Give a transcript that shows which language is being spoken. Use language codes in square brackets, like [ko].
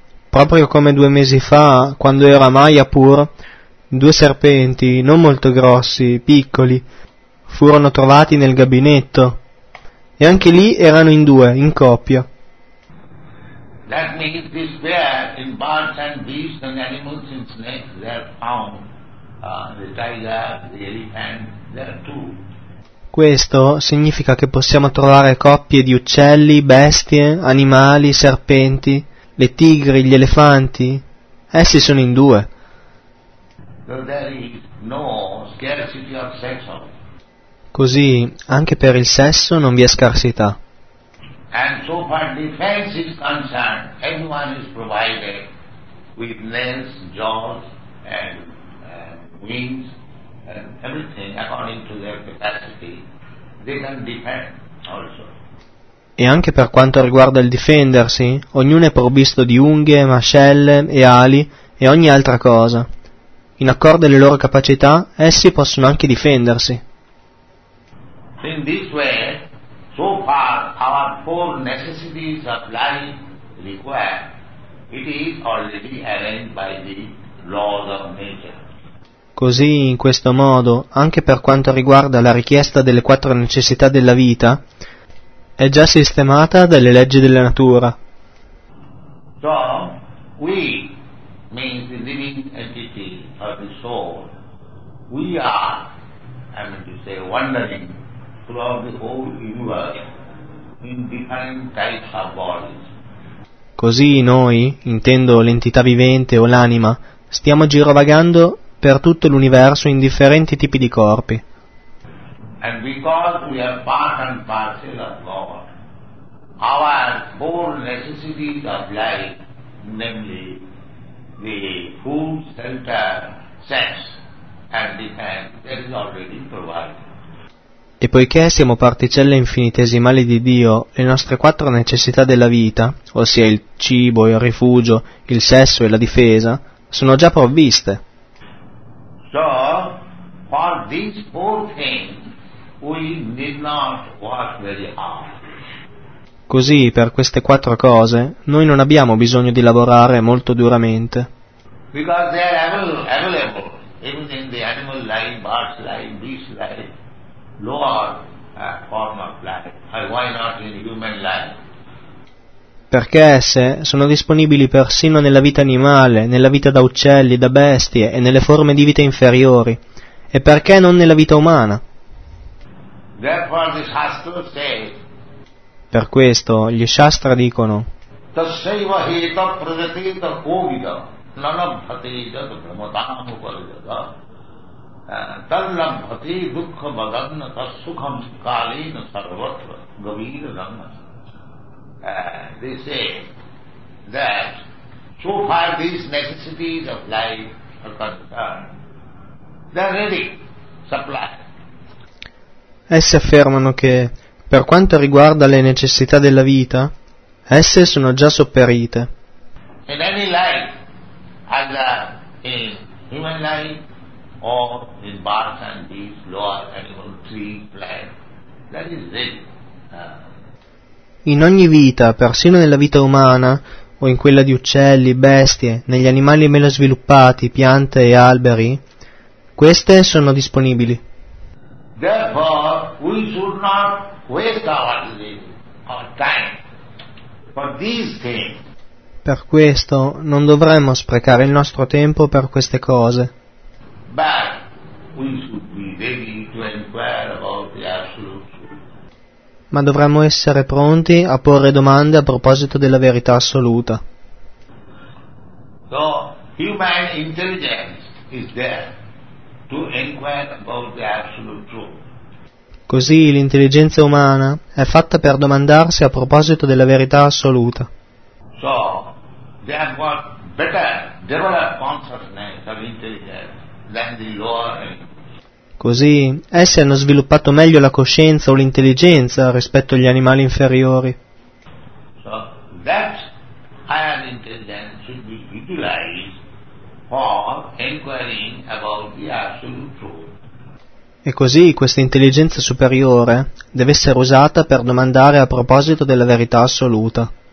[it] Proprio come 2 mesi fa, quando ero a Mayapur, due serpenti, non molto grossi, piccoli, furono trovati nel gabinetto. E anche lì erano in due, in coppia. [en] That means this bear in birds and bees and animals and snakes, they are found. The tiger, the elephant, they are two. [it] Questo significa che possiamo trovare coppie di uccelli, bestie, animali, serpenti, le tigri, gli elefanti. Essi sono in due. [en] So there is no scarcity of sex. [it] Così, anche per il sesso non vi è scarsità. [en] And so far defense is concerned, everyone is provided with nails, jaws and wings and everything according to their capacity. They can defend also. [it] E anche per quanto riguarda il difendersi, ognuno è provvisto di unghie, mascelle e ali e ogni altra cosa. In accordo alle loro capacità, essi possono anche difendersi. [en] In this way, so far our four necessities of life require, it is already arranged by the laws of nature. [it] Così, in questo modo, anche per quanto riguarda la richiesta delle quattro necessità della vita, è già sistemata dalle leggi della natura. [en] So, we means the living entity of the soul. We are, I mean to say, wandering throughout the whole universe in different types of bodies. [it] Così noi, intendo l'entità vivente o l'anima, stiamo girovagando per tutto l'universo in differenti tipi di corpi. [en] And because we are part and parcel of God, our four necessities of life, namely the food, shelter, sex and defense, is already provided. [it] E poiché siamo particelle infinitesimali di Dio, le nostre quattro necessità della vita, ossia il cibo, il rifugio, il sesso e la difesa, sono già provviste. [en] So, for these four things, we need not work very hard. [it] Così, per queste quattro cose, noi non abbiamo bisogno di lavorare molto duramente. [en] Because they are available, even in the animal life, bird life, beast life, lower form of life, and why not in human life? [it] Perché esse sono disponibili persino nella vita animale, nella vita da uccelli, da bestie e nelle forme di vita inferiori. E perché non nella vita umana? [en] Therefore the Shastra says, [it] per questo gli Shastra dicono: [sa] Tasseva heta prajateta kovida nanabhate jat brahmatam parijata tallabhate dukha madanna tasukham kalina sarvatra gavira dhamma. [en] They say that so far these necessities of life are concerned, they are ready, supplied. [it] Esse affermano che, per quanto riguarda le necessità della vita, esse sono già sopperite. [en] In any life, either in human life or in birds and beasts, lower animal, tree, plant, that is it. [it] In ogni vita, persino nella vita umana, o in quella di uccelli, bestie, negli animali meno sviluppati, piante e alberi, queste sono disponibili. [en] Therefore, we should not waste our time for these things. [it] Per questo, non dovremmo sprecare il nostro tempo per queste cose. [en] But we should be ready to inquire about the absolute truth. [it] Ma dovremmo essere pronti a porre domande a proposito della verità assoluta. [en] So, human intelligence is there to inquire about the absolute truth. [it] Così l'intelligenza umana è fatta per domandarsi a proposito della verità assoluta. [en] So, they have got better developed consciousness of intelligence than the lower animals. [it] Così essi hanno sviluppato meglio la coscienza o l'intelligenza rispetto agli animali inferiori. [en] So, that higher intelligence should be utilized for inquiring about the absolute truth. [it] E così questa intelligenza superiore deve essere usata per domandare a proposito della verità assoluta.